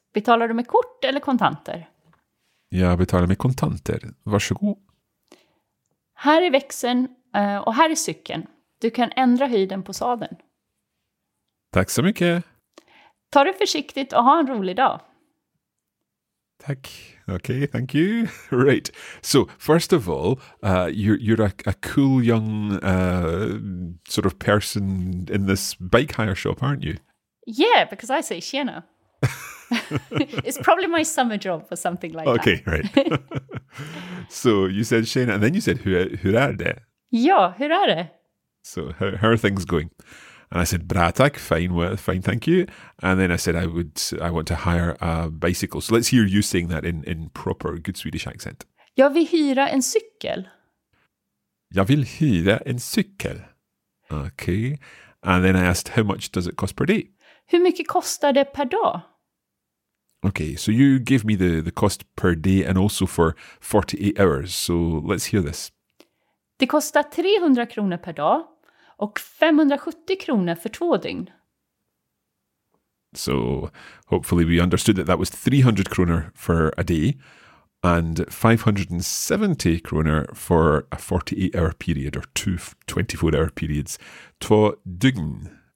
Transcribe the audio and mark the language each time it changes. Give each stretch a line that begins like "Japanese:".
Swedish: Betalar du med kort eller kontanter? Jag betalar med kontanter. Varsågod. Här är växeln och här är cykeln. Du kan ändra höjden på sadeln. Tack så mycket. Ta det försiktigt och ha en rolig dag. Tack.
English: Okay, thank you. Right. So, first of all, you're a cool young sort of person in this bike hire shop, aren't you? Yeah, because I say tjena. It's probably my summer job or something like okay, that. Okay, right. So you said Shana, and then you said,
Swedish: hur är det? Ja, hur är det?
English: So how are things going? And I said,
Swedish: bra tack,
English: fine, well, fine, thank you. And then I said, I want to hire a bicycle. So let's hear you saying that in proper good Swedish accent.
Swedish: Jag vill hyra en cykel. Jag vill hyra en cykel. Okay.
English: And then I asked, how much does it cost per day?
Swedish: Hur mycket kostar det per dag?
English: Okay, so you gave me the cost per day and also for 48 hours. So let's hear this.
Swedish: Det kostar 300 kronor per dag och 570 kronor för två dygn.
English: So hopefully we understood that that was 300 kronor for a day and 570 kronor for a 48-hour period or two 24-hour periods.
Swedish: Två dygn.